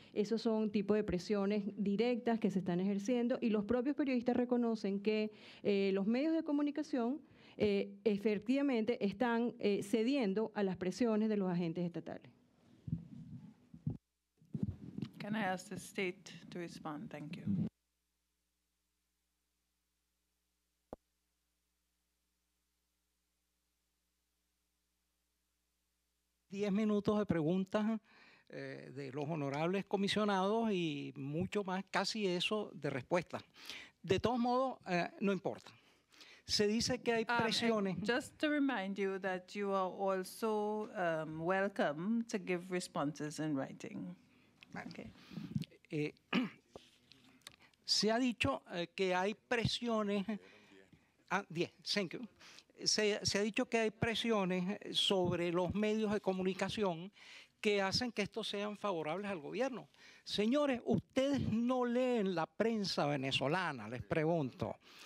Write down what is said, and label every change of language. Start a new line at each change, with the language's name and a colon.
Spanish: Esos son tipo de presiones directas que se están ejerciendo y los propios periodistas reconocen que los medios de comunicación efectivamente están cediendo a las presiones de los agentes estatales.
English: Can I ask the state to respond? Thank you.
Spanish: Diez minutos de preguntas de los honorables comisionados y mucho más, casi eso, de respuesta. De todos modos, no importa. Se dice que hay presiones.
English: Just to remind you that you are also welcome to give responses in writing.
Spanish: Se ha dicho que hay presiones.
English: Thank you.
Spanish: Se ha dicho que hay presiones sobre los medios de comunicación que hacen que estos sean favorables al gobierno. Señores, ustedes no leen la prensa venezolana, les pregunto.